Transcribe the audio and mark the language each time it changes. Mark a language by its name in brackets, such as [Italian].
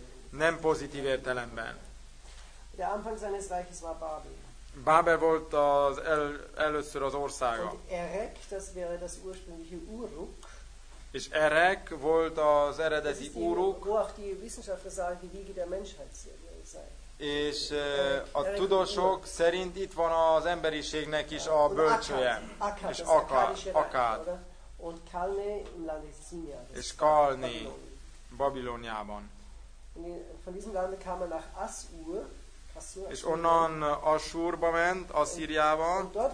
[Hungarian] Nem pozitív értelemben. [German] Der Anfang seines Reiches war Babel. [Hungarian] Babel volt az először az országa. [German] Und Erek, das wäre das ursprüngliche Uruk. [Hungarian] És Erek volt az eredeti Uruk. [German] Wo auch die Wissenschaftler sagen, die Wiege der Menschheit sei. [Hungarian] És a tudósok szerint itt van az emberiségnek is a bölcsője. És [German] Akkad. Und Kalne im Lande Sinjar. [Hungarian] És Kalne Babiloniában. [German] Von diesem Lande kam er nach Assur. [Hungarian] És onnan Assurba ment, Asszíriába.